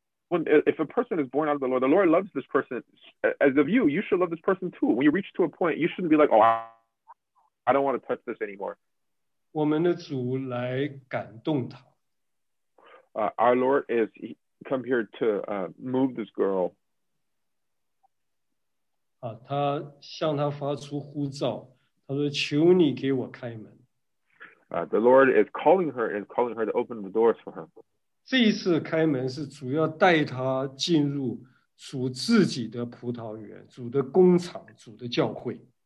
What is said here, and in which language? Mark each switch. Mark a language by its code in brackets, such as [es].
[en] If a person is born out of the Lord, the Lord loves this person as of you. You should love this person too. When you reach to a point, you shouldn't be like, "Oh, I don't want to touch this anymore." [zh] 我们的主来感动他。 [en] Our Lord is come here to move this girl. [zh] 啊，他向他发出呼召，他说：“求你给我开门。” [en] The Lord is calling her to open the doors for her. [zh] 这一次开门是主要带她进入主自己的葡萄园，主的工厂，主的教会。